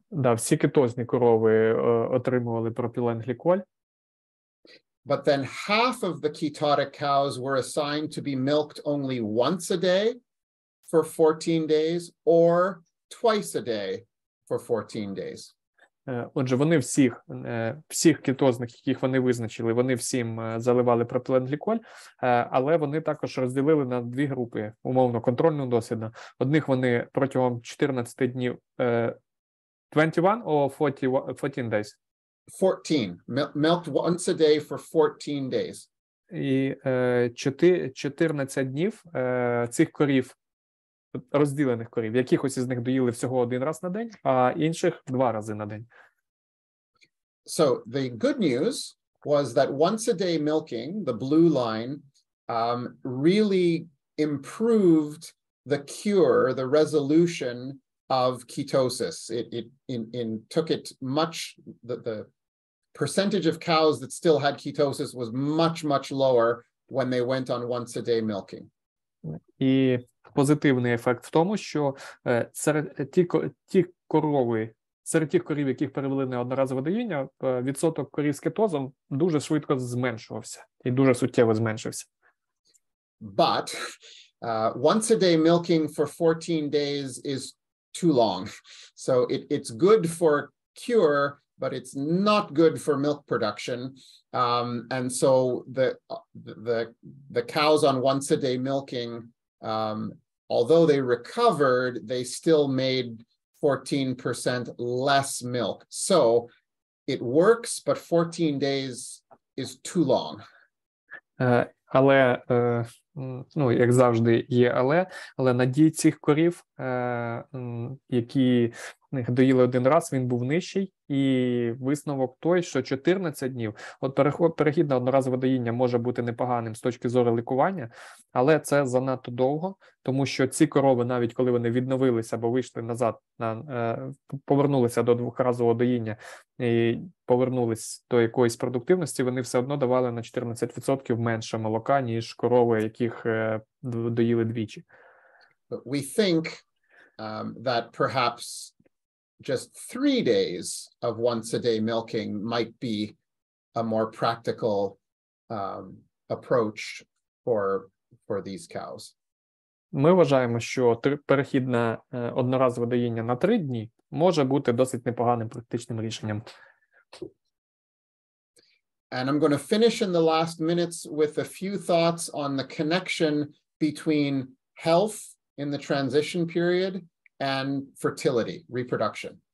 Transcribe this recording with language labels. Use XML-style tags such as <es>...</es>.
<uk>Да, всі кетозні корови отримували пропіленгліколь.</uk> <en>But then half of the ketotic cows were assigned to be milked only once a day for 14 days or twice a day for 14 days.</en> <uk>Отже, вони всіх, всіх кетозних, яких вони визначили, вони всім заливали пропіленгліколь, але вони також розділили на дві групи, умовно, контрольну дослідну. Одних вони протягом 14 днів,</uk> <en>21 or 14 days? 14. Milked once a day for 14 days.</en> <uk>І 14 днів цих корів, розділених корів, якихось із них доїли всього один раз на день, а інших два рази на день.</uk> <en>So the good news was that once a day milking, the blue line, really improved the cure, the resolution of ketosis. It took it much, the percentage of cows that still had ketosis was much, much lower when they went on once a day milking.</en> <uk>І позитивний ефект в тому, що серед тих корів, яких перевели на одноразове доїння, відсоток корів з кетозом дуже швидко зменшувався і дуже суттєво зменшився.</uk> <en>But once a day milking for 14 days is too long. So it's good for cure, but it's not good for milk production. And so the cows on once a day milking, although they recovered, they still made 14% less milk. So it works, but 14 days is too long.</en> <uk>Але, ну, як завжди є але надій цих корів, які їх доїли один раз, він був нижчий, і висновок той, що 14 днів, от перехід на одноразове доїння може бути непоганим з точки зору лікування, але це занадто довго, тому що ці корови, навіть коли вони відновилися або вийшли назад, повернулися до двохразового доїння і повернулись до якоїсь продуктивності, вони все одно давали на 14% менше молока, ніж корови, яких доїли двічі.</uk> <en>We think that perhaps just 3 days of once a day milking might be a more practical approach for these cows.</en> <uk>Ми вважаємо, що перехід на одноразове доїння на 3 дні може бути досить непоганим практичним рішенням.</uk> <en>And I'm going to finish in the last minutes with a few thoughts on the connection between health in the transition period and fertility, reproduction.</en>